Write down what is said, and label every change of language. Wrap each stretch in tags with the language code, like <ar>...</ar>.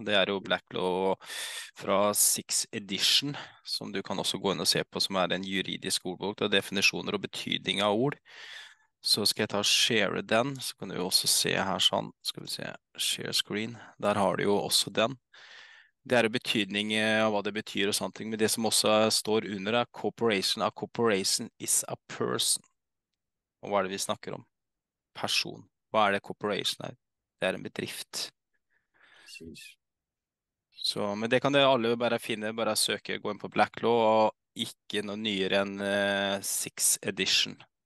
<sv>Det är ju Black Law från 6th edition som du kan också gå in och se på, som är en juridisk ordbok. Det är definitioner och betydning av ord. Så ska jag ta share den, så kan du också se här, så ska vi se</sv> <en>share screen.</en> <sv>Där har du ju också den. Det är betydning av vad det betyder och sånt, men det som också står under är corporation.</sv> <en>A corporation is a person.</en> <sv>Och vad är det vi snackar om? Person. Vad är det corporation är? Det är en bedrift. Precis. Så men det kan du alla bara finna, bara söka, gå in på Black Law och icke någon nyare än 6th edition.</sv>